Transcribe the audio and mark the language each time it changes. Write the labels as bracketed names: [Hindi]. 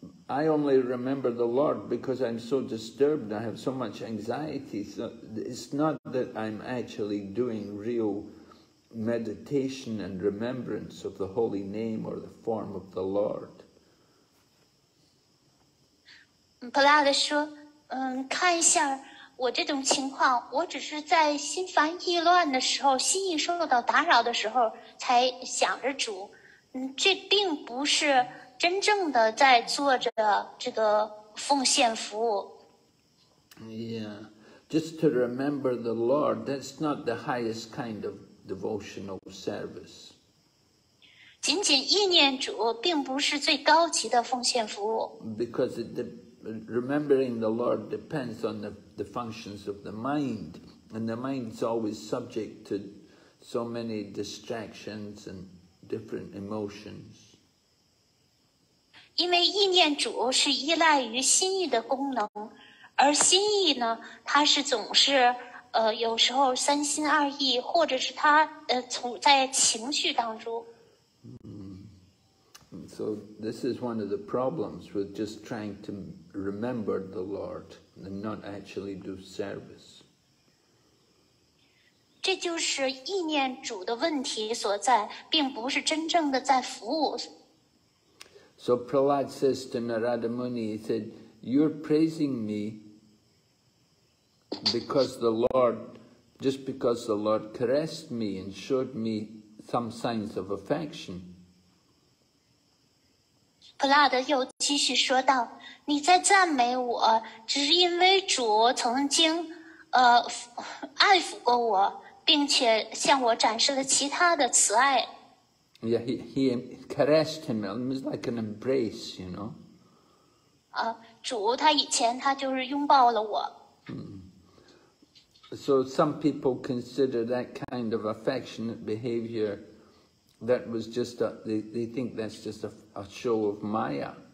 [English] I only remember the Lord because I'm so disturbed. I have so much anxiety. So it's not that I'm actually doing real meditation and remembrance of the holy name or the form of the Lord. [Chinese] Prahlad 说，看一下我这种情况，我只是在心烦意乱的时候，心意受到打扰的时候，才想着主。这并不是真正的在做着这个奉献服务。 [English] Yeah, just to remember the Lord, that's not the highest kind of devotional service. [Chinese] 仅仅意念主并不是最高级的奉献服务。 [English] Because remembering the Lord depends on the functions of the mind, and the mind is always subject to so many distractions and different emotions. [Chinese] 因为意念主是依赖于心意的功能，而心意呢，它是总是有时候三心二意，或者是它从在情绪当中。 [English] So this is one of the problems with just trying to remember the Lord and not actually do service. [Chinese] 这就是意念主的问题所在，并不是真正的在服务。 [English] So Prahlad says to Narada Muni, he said, you're praising me because the Lord caressed me and showed me some signs of affection. [Chinese] Prahlad 又继续说道，你在赞美我，只是因为主曾经爱抚过我，并且向我展示了其他的慈爱。 [English] Yeah, he caressed him. It was like an embrace, you know. [Chinese] 主他以前他就是拥抱了我。 [English] So some people consider that kind of affectionate behavior, that was just they think that's just a show of Maya.